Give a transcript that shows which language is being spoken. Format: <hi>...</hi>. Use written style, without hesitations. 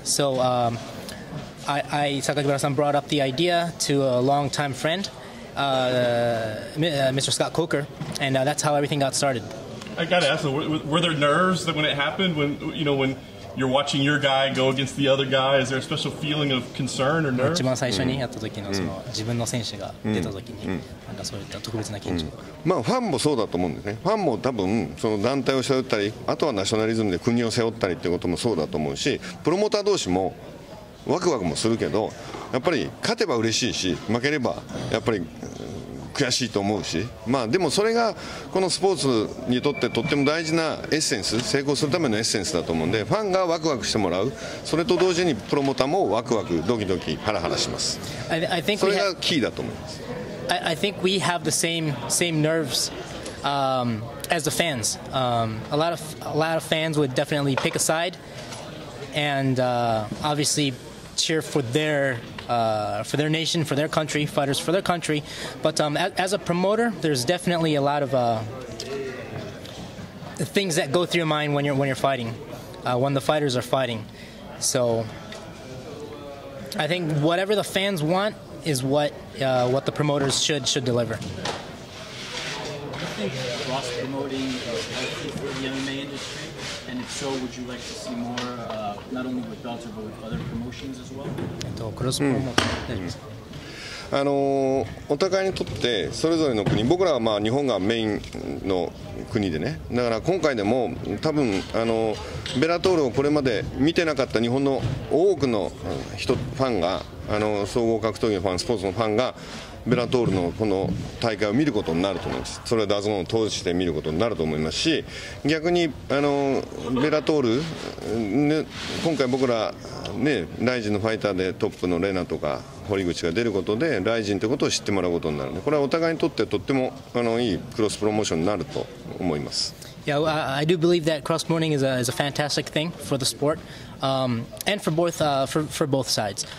<en>So I Sakakibara-san brought up the idea to a longtime friend, Mr. Scott Coker, and that's how everything got started. I gotta ask, were there nerves that when it happened, when you're watching your guy go against the other guy, is there a special feeling of concern or nerves?</en> <ja>一番最初にやった時の、その自分の選手が出た時に、なんかそういった特別な緊張。ファンもそうだと思うんですね。ファンも多分その団体を背負ったり、あとはナショナリズムで国を背負ったりってこともそうだと思うし、プロモーター同士もワクワクもするけど、やっぱり勝てば嬉しいし、負ければやっぱり悔しいと思うし、でもそれがこのスポーツにとってとっても大事なエッセンス、成功するためのエッセンスだと思うんで、ファンがワクワクしてもらう、それと同時にプロモーターもワクワク、ドキドキ、ハラハラします。それがキーだと思います。</ja> <en>I think we have the same nervesas the fans. A lot of fans would definitely pick a side and obviously cheer for their nation, for their country, fighters for their country. But as a promoter, there's definitely a lot of things that go through your mind when you're fighting, when the fighters are fighting. So I think whatever the fans want is what the promoters should deliver. Do you think cross promoting is helpful for the MMA industry? And if so, would you like to see more, not only with Bellator, but with other promotions as well?</en> <ja>クロスプロモーション、お互いにとってそれぞれの国、僕らは日本がメインの国でね、だから今回でも多分ベラトールをこれまで見てなかった日本の多くの人、ファンが、総合格闘技のファン、スポーツのファンがベラトールのこの大会を見ることになると思います。それはダゾーンを通して見ることになると思いますし、逆にベラトール、今回僕ら、ライジンのファイターでトップのレナとか堀口が出ることでライジンということを知ってもらうことになるので、これはお互いにとってとってもいいクロスプロモーションになると思います。</ja> <en>Yeah, I do believe that cross promoting is a fantastic thing for the sport, and for both sides.</en>